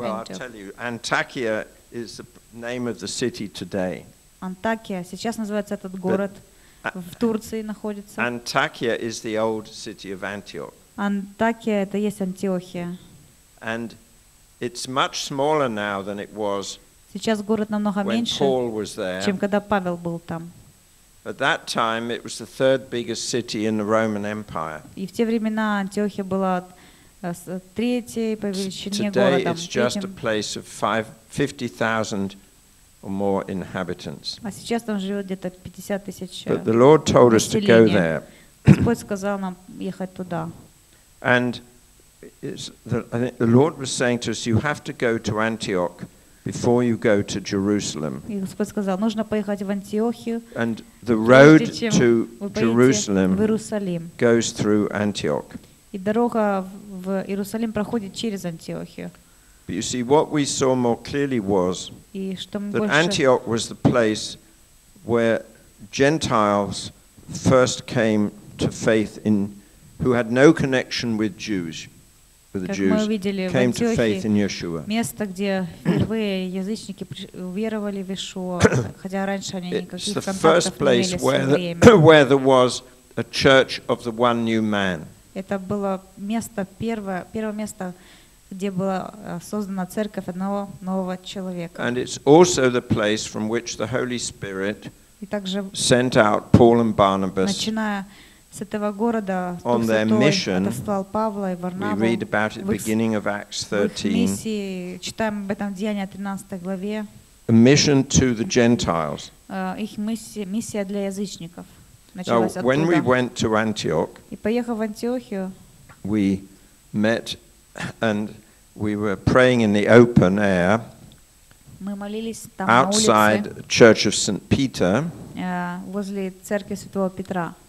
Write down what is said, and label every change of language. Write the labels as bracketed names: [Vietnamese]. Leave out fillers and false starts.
[English] Well, I'll tell you, Antakya is the name of the city today. Antakya. [Russian] Сейчас называется этот город в Турции находится. [English] Antakya is the old city of Antioch. [Russian] Antakya это есть Антиохия. [English] And it's much smaller now than it was. [Russian] Сейчас город намного меньше, чем когда Павел был там. [English] At that time, it was the third biggest city in the Roman Empire. [Russian] И в те времена Антиохия была третьей по величине городом. [English] Today, it's just a place of 50,000 or more inhabitants. [Russian] А сейчас там живет где-то 50 тысяч. [English] But the Lord told us to go there. [Russian] Господь сказал нам ехать туда. [English] And the Lord was saying to us, you have to go to Antioch before you go to Jerusalem. [Russian] И Господь сказал, нужно поехать в Антиохию. [English] And the road to Jerusalem [Russian] в Иерусалим [English] goes through Antioch. [Russian] И дорога в Иерусалим проходит через Антиохию. [English] But you see, what we saw more clearly was that Antioch was the place where Gentiles first came to faith in, who had no connection with Jews. The Jews came to faith in Yeshua. [Russian] Место, где впервые язычники уверовали в Иешуа, хотя раньше они никаких контактов не имели. [English] It's the first place where there was a church of the one new man. [Russian] Это было место первое место, где была создана церковь одного нового человека. [English] And it's also the place from which the Holy Spirit sent out Paul and Barnabas. [Russian] Начиная с этого города, [English] on their mission, [Russian] Павла и Варнаву, [English] we read about it at the beginning of Acts 13. [Russian] В миссии, читаем об этом в Деяниях 13 главе. [English] A mission to the Gentiles. [Russian] Их миссия для язычников началась [English] Now, [Russian] оттуда. [English] When we went to Antioch, [Russian] и поехав в Антиохию, [English] we met and we were praying in the open air. [Russian] Мы молились там [English] outside [Russian] на улице, [English] Church of St. Peter. [Russian] Возле церкви Святого Петра.